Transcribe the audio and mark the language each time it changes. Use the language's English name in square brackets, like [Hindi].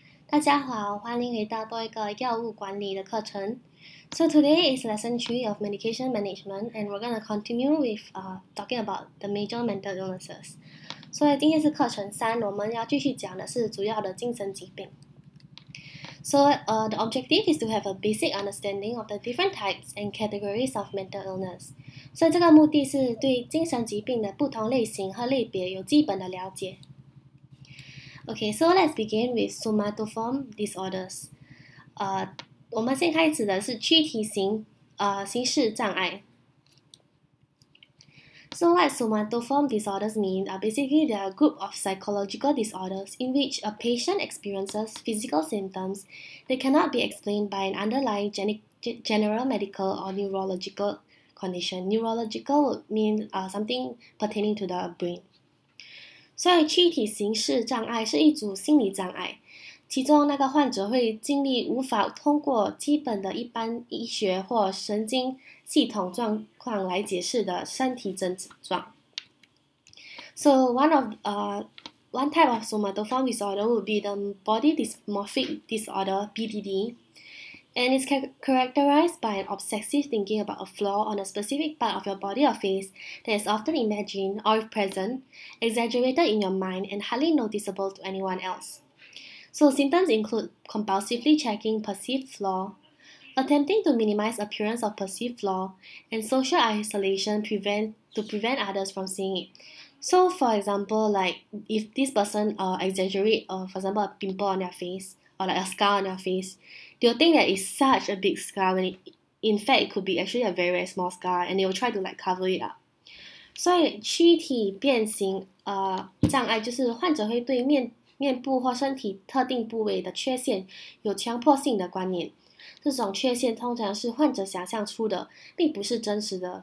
[Chinese] 大家好，欢迎回到多一个药物管理的课程。 [English] So today is lesson 3 of medication management, and we're going to continue with talking about the major mental illnesses. [Chinese] 所以今天是课程3，我们要继续讲的是主要的精神疾病。 [English] So the objective is to have a basic understanding of the different types and categories of mental illness. [Chinese] 所以这个目的是对精神疾病的不同类型和类别有基本的了解。 [English] Okay, so let's begin with somatoform disorders. [Chinese] 我们先开始的是躯体型心室障碍。 [English] So what somatoform disorders mean are basically they are a group of psychological disorders in which a patient experiences physical symptoms that cannot be explained by an underlying general medical or neurological condition. Neurological means something pertaining to the brain. [Chinese] 所以躯体型室障碍是一组心理障碍，其中那个患者会经历无法通过基本的一般医学或神经系统状况来解释的身体症状。 [English] So one type of somatoform disorder would be the body dysmorphic disorder, BDD, and it's characterized by an obsessive thinking about a flaw on a specific part of your body or face that is often imagined or if present, exaggerated in your mind and hardly noticeable to anyone else. So symptoms include compulsively checking perceived flaw, attempting to minimize appearance of perceived flaw, and social isolation to prevent others from seeing it. So for example, like if this person exaggerates, for example, a pimple on their face or like a scar on their face, they'll think that it's such a big scar when in fact it could be actually a very, very small scar, and they'll try to like cover it up. [Chinese] So 躯体变形障碍就是患者会对面部或身体特定部位的缺陷有强迫性的观念，这种缺陷通常是患者想象出的，并不是真实的。